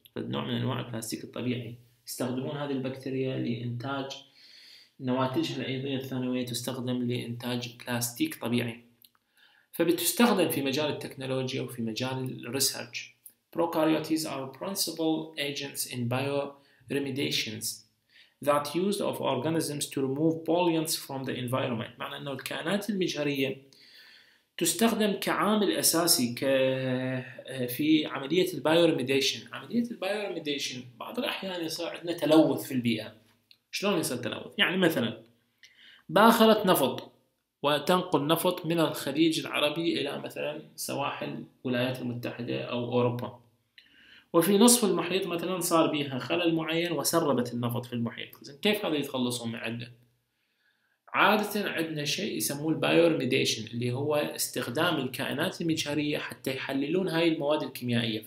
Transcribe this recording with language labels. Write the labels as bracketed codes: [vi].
[ar] نوع من أنواع البلاستيك الطبيعي يستخدمون هذه البكتيريا لإنتاج نواتجها الأيضية الثانوية تستخدم لإنتاج بلاستيك طبيعي، فبتستخدم في مجال التكنولوجيا وفي مجال الريسيرش. [en] Prokaryotes are principal agents in bioremediations that used of organisms to remove pollutants from the environment. [ar] معنى أن الكائنات المجهرية تستخدم كعامل أساسي في عملية البيورميديشن. عملية البيورميديشن بعض الأحيان يصير عندنا تلوث في البيئة. شلون يصير تلوث؟ يعني مثلا باخرة نفط وتنقل نفط من الخليج العربي إلى مثلا سواحل الولايات المتحدة أو أوروبا، وفي نصف المحيط مثلا صار بيها خلل معين وسربت النفط في المحيط، كيف هذا يتخلصون من عنده؟ عادة عندنا شيء يسموه البيورميديشن، اللي هو استخدام الكائنات المجهرية حتى يحللون هاي المواد الكيميائية.